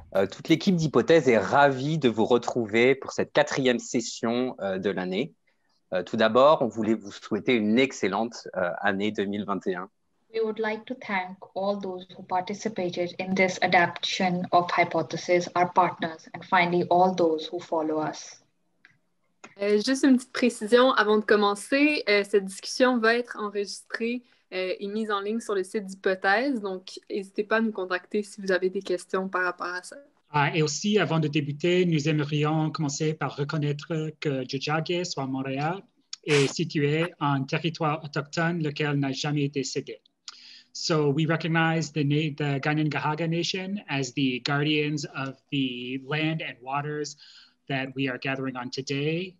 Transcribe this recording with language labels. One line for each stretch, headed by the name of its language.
French: Toute l'équipe d'Hypothèse est ravie de vous retrouver pour cette quatrième session de l'année. Tout d'abord, on voulait vous souhaiter une excellente année 2021.
English: We would like to thank all those who participated in this adaptation of Hypothèse, our partners, and finally all those who follow us.
French: Juste une petite précision avant de commencer. Cette discussion va être enregistrée est mise en ligne sur le site d'Hypothèse, donc n'hésitez pas à nous contacter si vous avez des questions par rapport à ça. Ah, et aussi, avant de débuter, nous aimerions commencer par reconnaître que Jujage, soit Montréal, est situé en territoire autochtone, lequel n'a jamais été cédé.
English: So we recognize the Ganangahaga Nation as the guardians of the land and waters that we are gathering on today.